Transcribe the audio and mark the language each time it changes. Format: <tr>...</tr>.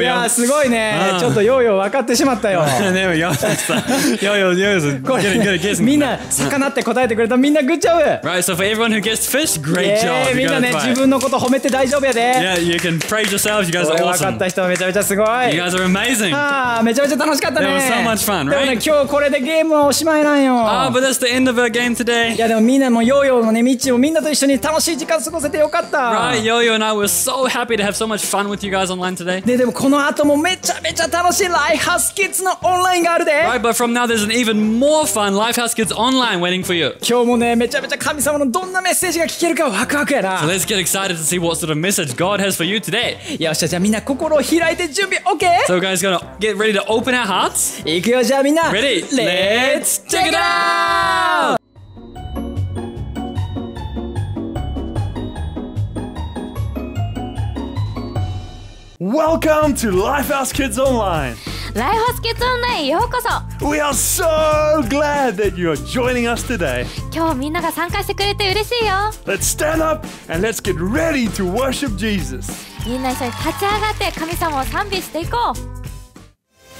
<ja>いやーすごいねー、ちょっとヨーヨー分かってしまったよ。</ja> <en>でもヨーヨー、ヨーヨー、これ、みんな魚って答えてくれたみんな、グッジョブ! Right, so for everyone who guessed fish, great job!</en> <ja>Yeah, みんなね、自分のこと褒めて大丈夫やで。</ja> <en>Yeah, you can praise yourselves, you guys are awesome!</en> <ja>分かった人はめちゃめちゃすごい。</ja> <en>You guys are amazing!</en> <ja>あー、めちゃめちゃ楽しかったね。</ja> <en>That was so much fun, right?</en> <ja>でもね、今日これでゲームはおしまいなんよ。</ja> <en>Ah, but that's the end of our game today.</en> <ja>いやでもみんなもヨーヨーもね、ミッチーもみんなと一緒に楽しい時間過ごせてよかった。</ja> <en>Right, Yo-Yo and I were so happy to have so much fun with you guys online today.</en> <ja>で、でもこの後もめちゃめちゃ楽しい Lifehouse Kids のオンラインがあるで。</ja> <en>Right, but from now there's an even more fun Lifehouse Kids Online waiting for you.</en> <ja>今日もね、めちゃめちゃ神様のどんなメッセージが聞けるかワクワクやな。</ja> <en>So let's get excited to see what sort of message God has for you today.</en> <ja>よっしゃ、じゃあみんな心を開いて準備 OK?</ja> <en>So guys, gonna get ready to open our hearts.</en> <ja>行くよ、じゃあみんな。</ja> <en>Ready? Let's check it out! Welcome to Lifehouse Kids Online.</en> <ja>Lifehouse Kids Online へようこそ。</ja> <en>We are so glad that you are joining us today.</en> <ja>今日みんなが参加してくれて嬉しいよ。</ja> <en>Let's stand up and let's get ready to worship Jesus.</en> <ja>みんな一緒に立ち上がって神様を賛美していこう。</ja>